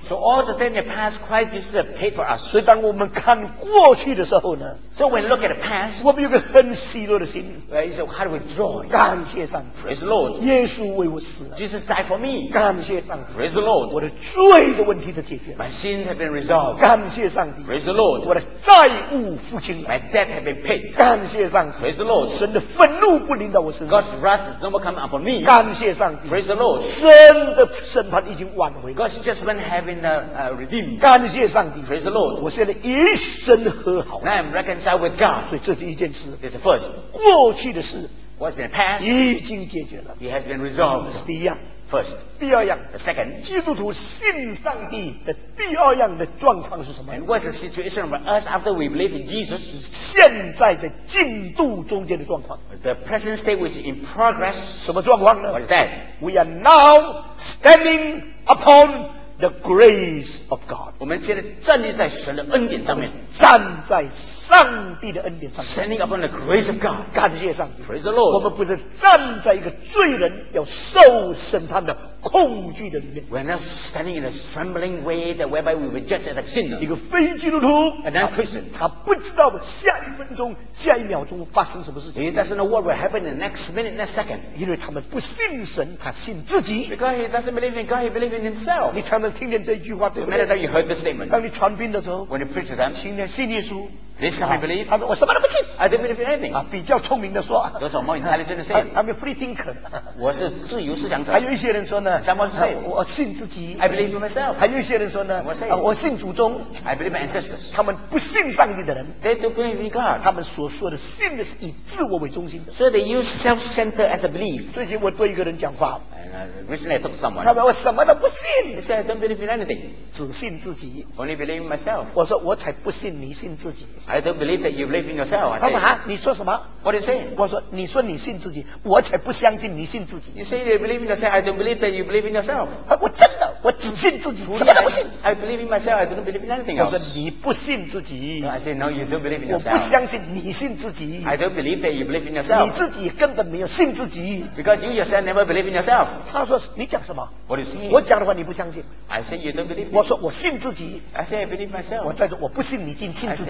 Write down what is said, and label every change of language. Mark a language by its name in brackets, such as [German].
[English] So all the things that passed Christ Jesus paid for us [Chinese] 所以当我们看过去的时候呢 [English] So when we look at the past [Chinese] 我们有个很喜乐的心 [English] It's a heart with joy [Chinese] 感谢上帝 [English] Praise the Lord [Chinese] 耶稣为我死了 [English] Jesus died for me [Chinese] 感谢上帝 [English] Praise the Lord [Chinese] 我的罪的问题都解决了 [English] My sins have been resolved [Chinese] 感谢上帝 [English] Praise the Lord [Chinese] 我的债务付清了 [English] My debt have been paid [Chinese] 感谢上帝 [English] Praise the Lord [Chinese] 神的愤怒不临到我身上 [English] God's wrath is no more coming upon me [Chinese] 感谢上帝 [English] Praise the Lord [Chinese] 神的审判已经完了 [English] God's judgment having redeemed. [Chinese] 感谢上帝 [English] Praise the Lord. [Chinese] 我现在与神和好 [English] Now I'm reconciled with God. [Chinese] 所以这是一件事 [English] It's the first. [Chinese] 过去的事 [English] What's in the past? [Chinese] 已经解决了。 [English] It has been resolved. [Chinese] 第一样。 [English] First. [Chinese] 第二样。 [English] The second. [Chinese] 基督徒信上帝的第二样的状况是什么 [English] ？And what's the situation of us after we believe in Jesus? [Chinese] 现在在进度中间的状况。 [English] The present state which is in progress. [Chinese] 什么状况呢 [English] ？What is that? We are now standing upon the grace of God. [Chinese] 我们现在站立在神的恩典上面。站在。上帝的恩典上 [English] standing upon the grace of God [Chinese] 感谢上帝 [English] praise the Lord [Chinese] 我们不是站在一个罪人要受审判的恐惧的里面 [English] we're not standing in a trembling way that whereby we were judged as a sinner [Chinese] 一个非基督徒 [English] a non-Christian [Chinese] 他不知道下一分钟下一秒钟发生什么事情 [English] he doesn't know what will happen in the next minute next second [Chinese] 因为他们不信神他信自己 [English] because he doesn't believe in God he believes in himself [Chinese] 你常常听见这句话对不对 [English] the matter you heard the statement [Chinese] 当你传病的时候 [English] when you preach to them [Chinese] 信念信耶稣 [English] This can be believed. [Chinese] 他说我什么都不信。 [English] I don't believe anything. [Chinese] 啊，比较聪明的说。 [English] Those are more intelligent to say. I'm a free thinker. [Chinese] 我是自由思想者。还有一些人说呢。 [English] Someone say. [Chinese] 我信自己。 [English] I believe in myself. [Chinese] 还有一些人说呢。我 [English] say. [Chinese] 我信祖宗。 [English] I believe my ancestors. [Chinese] 他们不信上帝的人。 [English] They don't believe in God. [Chinese] 他们所说的信的是以自我为中心的。 [English] So they use self-centered as a belief. [Chinese] 最近我对一个人讲话。 [English] Recently I talked to someone. [Chinese] 他说我什么都不信。 [English] He said I don't believe in anything. [Chinese] 只信自己。 [English] Only believe in myself. [Chinese] 我说我才不信你信自己。 [English] I don't believe that you believe in yourself. [Chinese] 他说啊，你说什么 [English] ？What are you saying? [Chinese] 我说，你说你信自己，我才不相信你信自己。 [English] You say you believe in yourself. I don't believe that you believe in yourself. [Chinese] 我真的，我只信自己，什么都不信。 [English] I believe in myself. I don't believe in anything else. [Chinese] 我说你不信自己。 [English] I say no, you don't believe in yourself. [Chinese] 我不相信你信自己。 [English] I don't believe that you believe in yourself. [Chinese] 你自己根本没有信自己。 [English] Because you yourself never believe in yourself. [Chinese] 他说你讲什么 [English] ？What are you saying? [Chinese] 我讲的话你不相信。 [English] I say you don't believe. [Chinese] 我说我信自己。 [English] I say I believe myself. [Chinese] 我再说我不信你信自己。